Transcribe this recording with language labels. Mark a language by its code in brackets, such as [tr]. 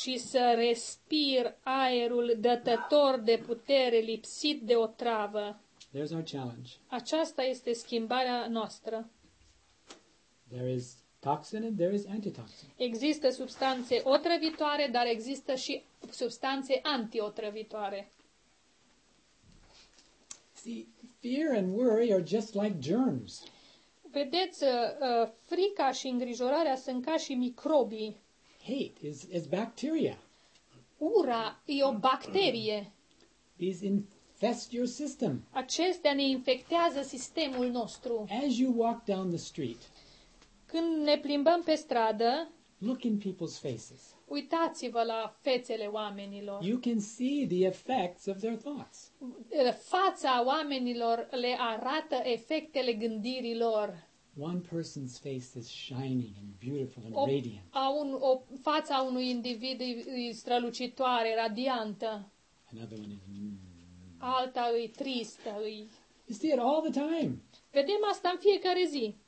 [ro] Și să respir aerul dătător de putere lipsit de otravă. [en] There's our challenge. [ro] Aceasta este schimbarea noastră. [en] There is toxin and there is antitoxin. [ro] Există substanțe otrăvitoare, dar există și substanțe antiotrăvitoare. [en] See, fear and worry are just like germs. [ro] Vedeți, frica și îngrijorarea sunt ca și microbii. [en] Hate is bacteria. [ro] Ura e o bacterie. [en] These infest your system. [ro] Acestea ne infectează sistemul nostru. [en] As you walk down the street, [ro] când ne plimbăm pe stradă, [en] look in people's faces. [ro] Uitați-vă la fețele oamenilor. [en] You can see the effects of their thoughts. [ro] Fața oamenilor le arată efectele gândirilor. [en] One person's face is shining and beautiful and radiant. [ro] Fața unui individ e strălucitoare, radiantă. [en] Another one is... [ro] Alta e tristă. [en] You see it all the time. [ro] Vedem asta în fiecare zi.